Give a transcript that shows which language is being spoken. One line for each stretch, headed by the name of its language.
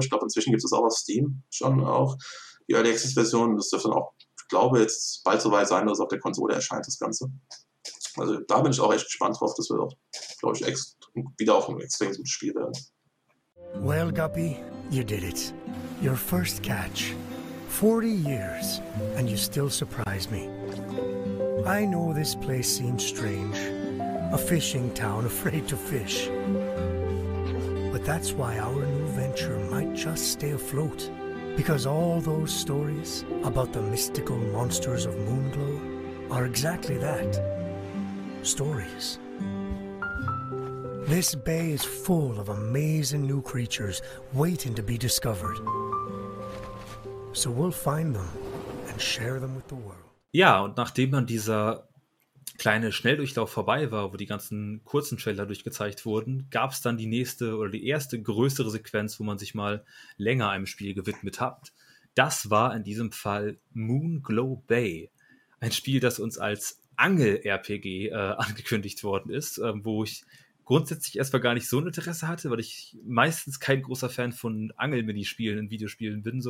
German: Ich glaube, inzwischen gibt es auch auf Steam schon auch die Early Access Version. Das dürfte dann auch, ich glaube, jetzt bald soweit sein, dass es auf der Konsole erscheint, das Ganze. Also da bin ich auch echt gespannt drauf, dass wir auch, glaube ich, wieder auf einem extrem guten Spiel werden.
English: Well, Guppy, you did it. Your first catch. 40 years, and you still surprise me. I know this place seems strange. A fishing town afraid to fish. But that's why our new venture might just stay afloat. Because all those stories about the mystical monsters of Moonglow are exactly that. Stories. This bay is full of amazing new creatures waiting to be discovered. So we'll find them and share them with the world.
German: Ja, und nachdem dann dieser kleine Schnelldurchlauf vorbei war, wo die ganzen kurzen Trailer durchgezeigt wurden, gab es dann die nächste oder die erste größere Sequenz, wo man sich mal länger einem Spiel gewidmet hat. Das war in diesem Fall Moonglow Bay. Ein Spiel, das uns als Angel-RPG angekündigt worden ist, wo ich grundsätzlich erstmal gar nicht so ein Interesse hatte, weil ich meistens kein großer Fan von Angel-Minispielen in Videospielen bin.